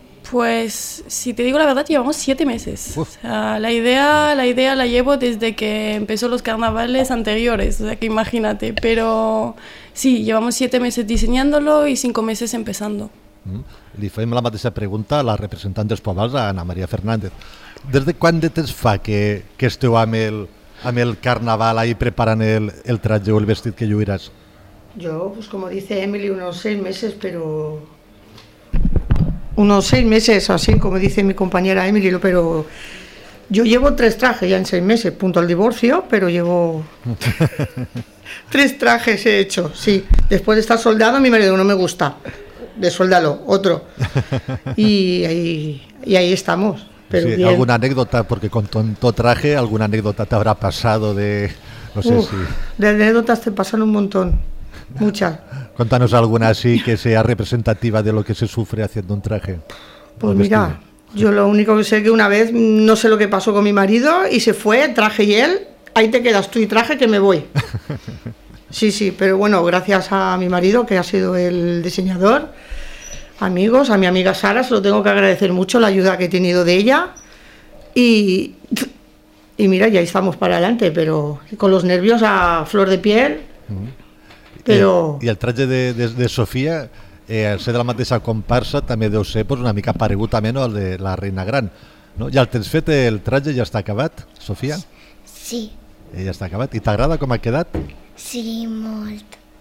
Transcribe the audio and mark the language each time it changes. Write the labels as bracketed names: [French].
[Spanish] Pues, si te digo la verdad, llevamos 7 meses. Uf. O sea, la idea la llevo desde que empezó los carnavales anteriores, o sea que imagínate, pero sí, llevamos 7 meses diseñándolo y 5 meses empezando. [Catalan] Li fem la mateixa pregunta a la representant dels pobles, a Ana María Fernández. Des de quant de temps fa que esteu amb el carnaval ahí preparant el traje o el vestit que lluiràs? [Spanish] Yo, pues como dice Emily, unos 6 meses, pero... Unos 6 meses, así como dice mi compañera Emily, pero yo llevo 3 trajes ya en 6 meses, punto al divorcio, pero llevo 3 trajes he hecho, sí. Después de estar soldado, mi marido no me gusta, desuéldalo, otro. Y ahí estamos. Pero sí, bien. ¿Alguna anécdota? Porque con tanto traje, ¿alguna anécdota te habrá pasado de...? No sé. De anécdotas te pasan un montón, muchas. Contanos alguna así que sea representativa de lo que se sufre haciendo un traje. Pues mira, yo lo único que sé es que una vez, no sé lo que pasó con mi marido, y se fue, traje y él, ahí te quedas tú y traje que me voy. Sí, sí, pero bueno, gracias a mi marido, que ha sido el diseñador, amigos, a mi amiga Sara, se lo tengo que agradecer mucho, la ayuda que he tenido de ella, y mira, ya estamos para adelante, pero con los nervios a flor de piel... Pero... [Catalan] I el traje de Sofia, al ser de la mateixa comparsa, també deu ser, pues, una mica paregut també, no?, al de la reina gran. No? Ja el tens fet, el traje ja està acabat, Sofia? Sí. Ja està acabat. I t'agrada com ha quedat? Sí, molt.